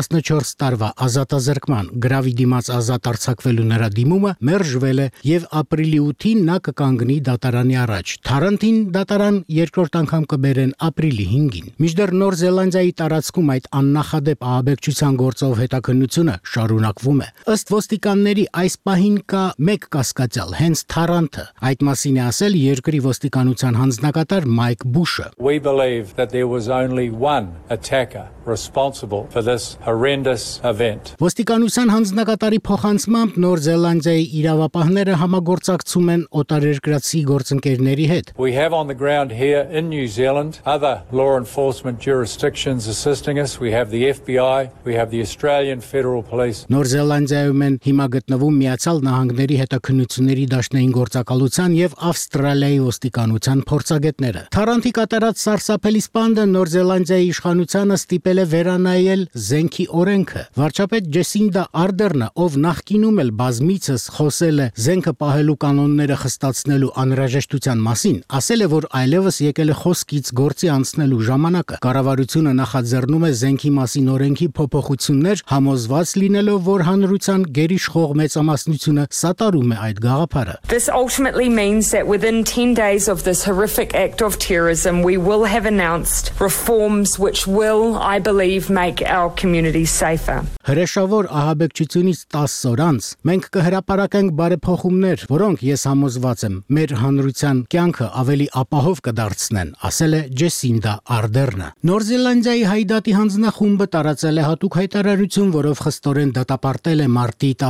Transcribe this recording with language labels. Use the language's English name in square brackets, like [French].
[Armenian] 14 տարվա ազատազրկման, գրավի դիմաց ազատ արձակվելու նրա դիմումը մերժվել է և ապրիլի 8-ին նա կկանգնի դատարանի առաջ։ Թարանտին դատարան երկրորդ անգամ կբերեն ապրիլի 5-ին։ Միջդեռ Նոր Զելանդիայի տարածքում այդ աննախադեպ ահաբեկչության գործով հետաքննությունը շարունակվում է։ Ըստ ոստիկանների, այս պահին կա մեկ կասկածյալ, հենց Թարանտը։ Այդ մասին է ասել երկրի ոստիկանության հանձնակատար Մայք Բուշը։ [English] We believe that there was only one attacker responsible for this horrendous event. [Armenian] Ոստիկանության հանձնակատարի փոխանցմամբ Նոր Զելանդիայի իրավապահները համագործակցում են օտարերկրացի գործընկերների հետ։ [English] We have on the ground here in New Zealand other law enforcement jurisdictions assisting us. We have the FBI, we have the Australian Federal Police. [Armenian] Նոր Զելանդիայում են հիմա գտնվում Միացյալ Նահանգների հետաքննությունների դաշնային գործակալության և Ավստրալիայի ոստիկանության փորձագետները։ Թարանտի կատարած սարսափելի սպանդը Նոր Զելանդիայի իշխանությանը ստիպել է վերանայել զենքի օրենքը։ Վարչապետ Ջեսինդա Արդերնը, ով նախկինում էլ բազմիցս խոսել է զենքը պահելու կանոնները խստացնելու անհրաժեշտության մասին, ասել է, որ այլևս եկել է խոսքի ծրագրից գործի անցնելու ժամանակը կառավարությունը նախաձեռնում է զենքի մասին օրենքի փոփոխություններ, համոզված լինելով, որ հանրության գերիշխող մեծամասնությունը սատարում է այդ գաղափարը։ [English] This ultimately means that within 10 days of this horrific act of terrorism, we will have announced reforms which will, I believe, make our community safer. [Armenian] Հրեշավոր ահաբեկչությունից 10 օր անց մենք կհրապարակենք բարեփոխումներ, որոնք ես համոզված եմ, մեր հանրության կյանքը ավելի ապահով կդարձնեն, ասել է Ջեսինդա Արդերնը։ Նոր Զելանդիայի հայդատի հանձնախումբը տարածել է հատուկ հայտարարություն, որով խստորեն դատապարտել է մարտի